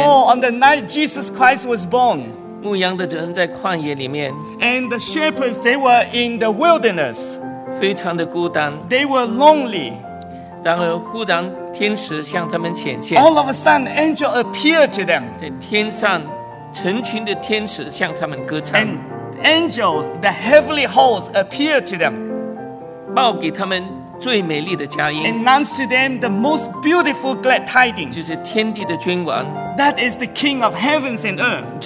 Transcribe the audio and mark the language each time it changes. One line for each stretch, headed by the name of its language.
English: Oh, on the night Jesus Christ was born
Chinese: 牧羊的人在旷野里面
English: And the shepherds, they were in the wilderness
Chinese: 非常的孤单
English: They were lonely
Chinese: 然而忽然天使向他们显现
English: All of a sudden, angel appeared to them
Chinese: 在天上成群的天使向他们歌唱
English: And angels, the heavenly hosts appeared to them
Chinese: 报给他们最美丽的佳音
English: Announced to them the most beautiful glad tidings
Chinese: 就是天地的君王
English: That is the king of heavens and earth